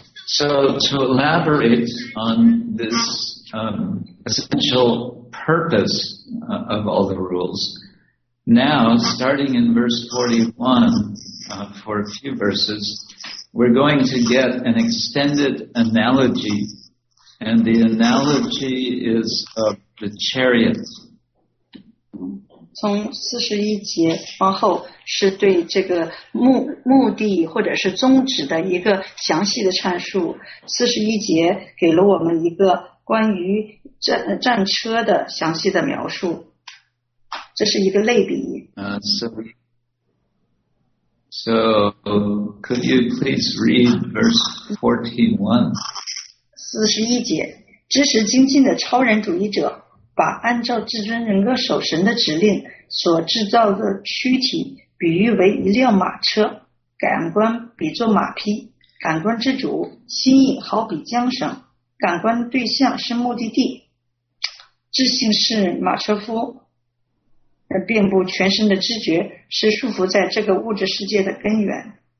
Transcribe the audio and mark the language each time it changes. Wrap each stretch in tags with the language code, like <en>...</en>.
<en>So to elaborate on this essential purpose of all the rules, now starting in verse 41, for a few verses, we're going to get an extended analogy, and the analogy is of the chariot.</en> <zh>从41节往后是对这个目的或者是宗旨的一个详细的阐述。 41节给了我们一个关于战车的详细的描述。这是一个类比。</zh> <en>So, could you please read verse 41?</en> <zh>41节，知识精进的超人主义者把按照至尊人格守神的指令所制造的躯体比喻为一辆马车，感官比作马匹，感官之主心意好比缰绳，感官对象是目的地，智性是马车夫，遍布全身的知觉是束缚在这个物质世界的根源。</zh>